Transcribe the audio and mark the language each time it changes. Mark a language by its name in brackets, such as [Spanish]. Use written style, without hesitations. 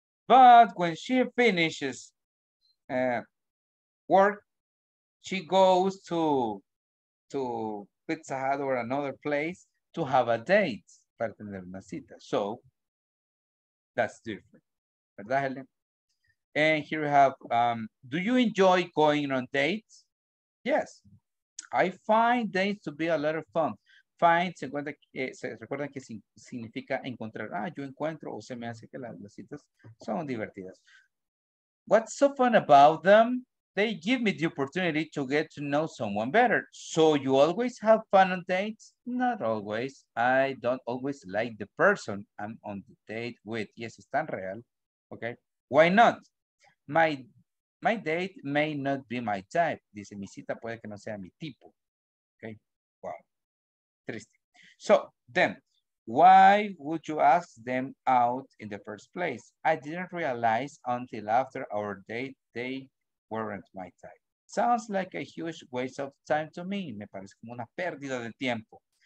[English] But when she finishes work, she goes to Pizza Hut or another place to have a date. [Spanish] Para tener una cita. [English] So, that's different. [Spanish] ¿Verdad, Helen? [English] And here we have, do you enjoy going on dates? Yes. I find days to be a lot of fun. [Spanish] Find, se encuentra, se recuerdan que significa encontrar. Ah, yo encuentro o se me hace que las citas son divertidas. [English] What's so fun about them? They give me the opportunity to get to know someone better. So you always have fun on dates? Not always. I don't always like the person I'm on the date with. Yes, [Spanish] es tan real. [English] Okay. Why not? My date may not be my type. [Spanish] Dice, mi cita puede que no sea mi tipo. Okay. Wow. Triste. [English] So then, why would you ask them out in the first place? I didn't realize until after our date they weren't my type. Sounds like a huge waste of time to me. [Spanish] Me parece como una pérdida de tiempo.